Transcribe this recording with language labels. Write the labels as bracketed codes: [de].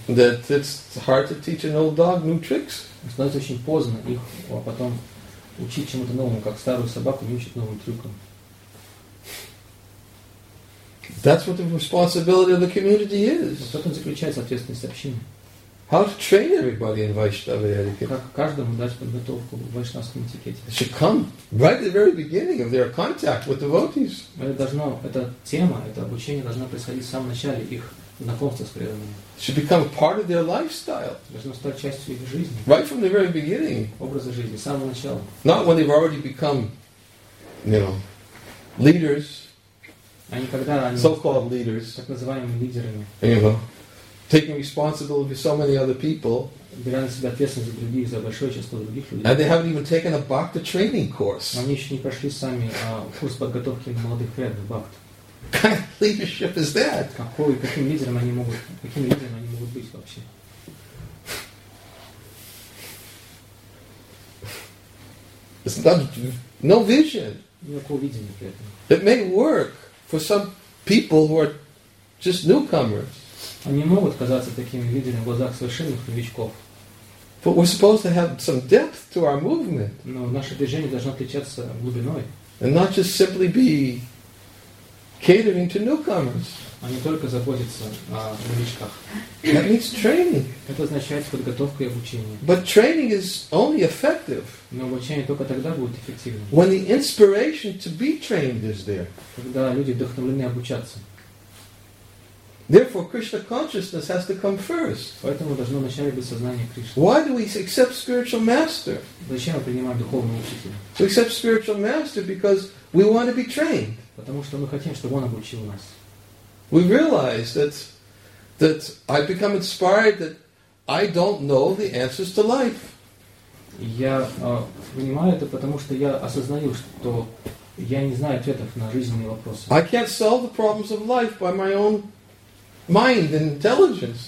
[en] that it's hard to teach an old dog new tricks. [ru] Становится очень поздно их потом учить чему-то новому, как старую собаку не учат новым трюкам. [en] That's what the responsibility of the community is. [ru] Вот в этом заключается ответственность общины. [en] How to train everybody in Vaishnava etiquette? [ru] Как каждому дать подготовку в вайшнавском этикете? [en] It should come right at the very beginning of their contact with devotees. [ru] Эта тема, это обучение должно происходить в самом начале их знакомства с преданными. [en] It should become part of their lifestyle. [ru] Должно стать частью их жизни. [en] Right from the very beginning. [ru] Образа жизни, с самого начала. [en] Not when they've already become, you know, leaders. [ru] Они когда они [en] so-called leaders. [ru] Так называемыми лидерами. [en] You know. Taking responsibility for so many other people. [ru] Беря на себя ответственность за других, за большое число других людей. [en] And they haven't even taken a bhakta training course. [ru] Они еще не прошли сами курс подготовки молодых преданных бхакт. [en] Leadership is that. [ru] Каким лидером они могут быть вообще? [en] It's not no vision. [ru] Никакого видения при этом. [en] It may work for some people who are just newcomers. [ru] Они могут казаться такими лидерами в глазах совершенных новичков. [en] But we're supposed to have some depth to our movement. [ru] Но наше движение должно отличаться глубиной. [en] And not just simply be catering to newcomers. [ru] а не только заботиться о новичках. [en] That means training. [ru] Это означает подготовка и обучение. [en] But training is only effective. [ru] Но обучение только тогда будет эффективным. [en] When the inspiration to be trained is there. [ru] Когда люди вдохновлены обучаться. [en] Therefore, Krishna consciousness has to come first. [ru] Поэтому должно начать быть сознание Кришны. [en] Why do we accept spiritual master? [ru] Зачем мы принимаем духовного учителя? [en] We accept spiritual master because we want to be trained. [ru] Потому что мы хотим, чтобы он обучил нас. [en] We realize that I become inspired that I don't know the answers to life. [ru] Я понимаю это, потому что я осознаю, что я не знаю ответов на жизненные вопросы. [en] I can't solve the problems of life by my own mind and intelligence.